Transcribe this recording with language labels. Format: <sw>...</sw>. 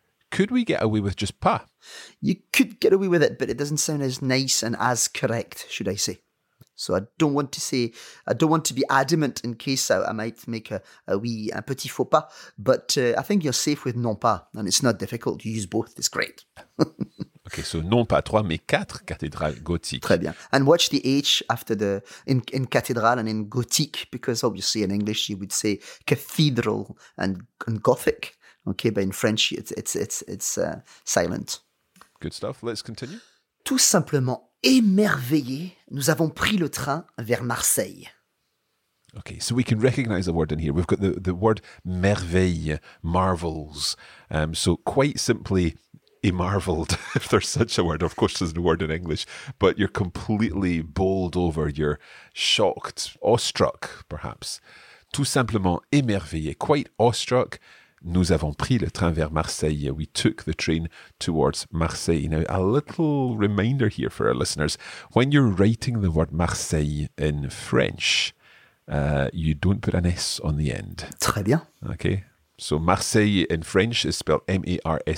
<en>Could we get away with just pas? You could get away with it, but it doesn't sound as nice and as correct, should I say. So I don't want to say, I don't want to be adamant in case I might make un petit faux pas, but I think you're safe with non pas, and it's not difficult. You use both, it's great.</en> <fr>Okay, so non pas trois, mais quatre cathédrales gothiques. Très bien.</fr> <en>And watch the H after the in cathédrale and in gothique, because obviously in English you would say cathedral and gothic. Okay, but in French it's silent. Good stuff. Let's continue.</en> <fr>Tout simplement émerveillés, nous avons pris le train vers Marseille.</fr> <en>Okay, so we can recognize a word in here. We've got the word merveille, marvels. So quite simply, he marveled, if there's such a word. Of course, there's no word in English, but you're completely bowled over. You're shocked, awestruck, perhaps.</en> <fr>Tout simplement émerveillé, quite awestruck. Nous avons pris le train vers Marseille.</fr> <en>We took the train towards Marseille. Now, a little reminder here for our listeners. When you're writing the word Marseille in French, you don't put an S on the end.</en> <fr>Très bien.</fr> <en>Okay. So Marseille in French is spelled M-A-R-S-E-I-L-L-E.</en>